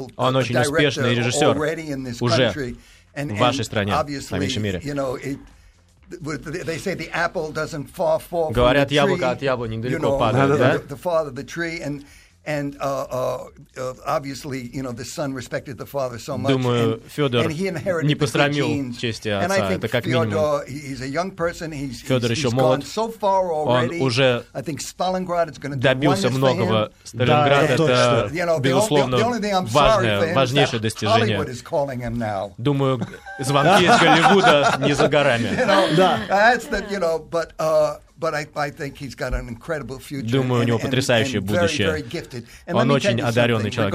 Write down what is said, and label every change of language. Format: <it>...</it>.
<ru>Он очень успешный режиссер уже в вашей стране, в нашем мире.</ru> <en>They say the apple doesn't fall far from</en> <ru>говорят,</ru> <en>the tree.</en> <ru>Яблоко от яблони недалеко,</ru> <en>you know,</en> <ru>падает, да?</ru> <en>The father, the tree, and obviously, you know, the son respected the father so much.</en> <ru>Думаю, Федор не посрамил чести отца. Это как минимум.</ru> <en>Федор, he's a young person. He's,</en> <ru>Федор еще молод.</ru> <en>So far already,</en> <ru>он уже добился многого. Сталинград да, это, что,</ru> <en>you know,</en> <ru>безусловно, важнейшее достижение. Думаю, звонки из Голливуда не за горами.</ru> <en>But I think he's got an incredible future.</en> <ru>Думаю, у него потрясающее будущее. Он очень одаренный человек.</ru>